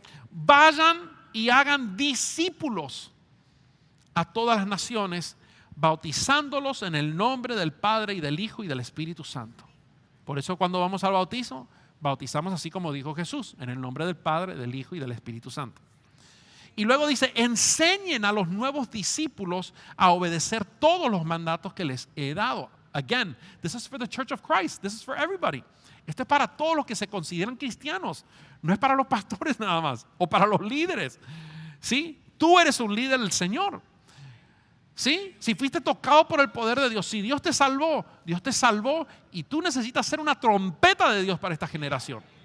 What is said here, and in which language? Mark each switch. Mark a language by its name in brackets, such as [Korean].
[Spanish] Vayan y hagan discípulos a todas las naciones, bautizándolos en el nombre del Padre y del Hijo y del Espíritu Santo. Por eso cuando vamos al bautizo, bautizamos así como dijo Jesús, en el nombre del Padre, del Hijo y del Espíritu Santo. Y luego dice, enseñen a los nuevos discípulos a obedecer todos los mandatos que les he dado. [English] Again, this is for the Church of Christ, this is for everybody. [Spanish] Esto es para todos los que se consideran cristianos. No es para los pastores nada más o para los líderes. ¿Sí? Tú eres un líder del Señor. ¿Sí? Si fuiste tocado por el poder de Dios, si Dios te salvó, Dios te salvó y tú necesitas ser una trompeta de Dios para esta generación.